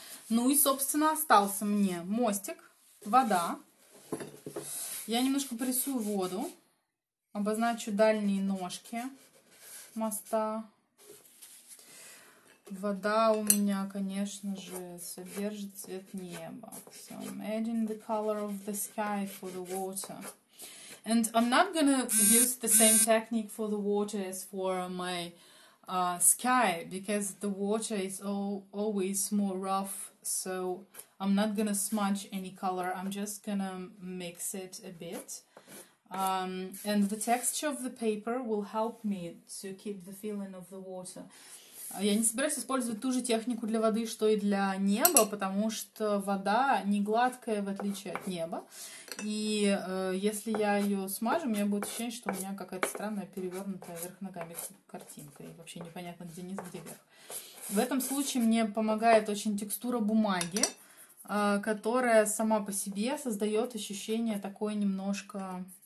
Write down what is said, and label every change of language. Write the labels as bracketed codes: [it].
[ru] Ну и, собственно, остался мне мостик, вода. Я немножко порисую воду. Обозначу дальние ножки моста. Вода у меня, конечно же, содержит цвет неба. [en] So I'm adding the color of the sky for the water. And I'm not gonna use the same technique for the water as for my sky, because the water is always more rough, so I'm not gonna smudge any color. I'm just gonna mix it a bit. And the texture of the paper will help me to keep the feeling of the water. [ru] Я не собираюсь использовать ту же технику для воды, что и для неба, потому что вода не гладкая, в отличие от неба. И если я ее смажу, у меня будет ощущение, что у меня какая-то странная перевернутая вверх ногами картинка. И вообще непонятно, где низ, где вверх. В этом случае мне помогает очень текстура бумаги, которая сама по себе создает ощущение такой немножко...